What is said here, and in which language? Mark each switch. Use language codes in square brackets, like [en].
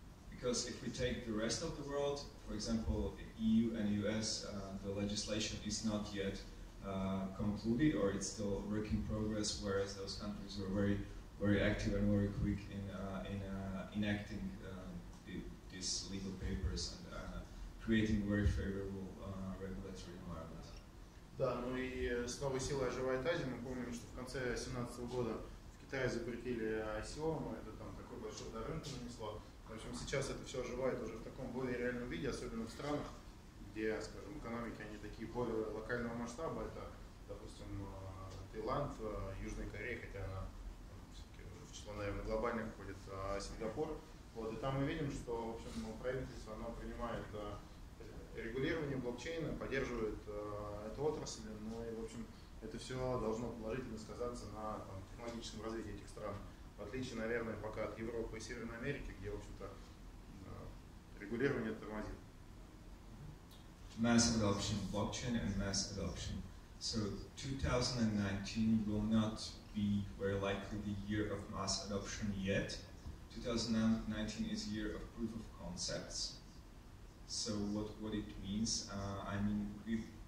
[en] Because if we take the rest of the world, for example, EU and US, the legislation is not yet concluded, or it's still a work in progress, whereas those countries were very, very active and very quick in enacting these legal papers and creating very favorable regulatory environment. [ru] Да, ну и с новой силой оживает Азия. Мы помним, что в конце 2017 года в Китае запретили ICO, но это там такой большой удар рынка нанесло. В общем, сейчас это все оживает уже в таком более реальном виде, особенно в странах, где, скажем, экономики, они такие более локального масштаба, это, допустим, Таиланд, Южная Корея, хотя она все-таки в число, наверное, глобальных входит, а Сингапур. Вот, и там мы видим, что, в общем, правительство, оно принимает регулирование блокчейна, поддерживает эту отрасль, ну и, в общем, это все должно положительно сказаться на там, технологическом развитии этих стран, в отличие, наверное, пока от Европы и Северной Америки, где, в общем-то, регулирование тормозит. [en] Mass adoption of blockchain and mass adoption. So 2019 will not be very likely the year of mass adoption yet. 2019 is a year of proof of concepts. So what it means, I mean, we've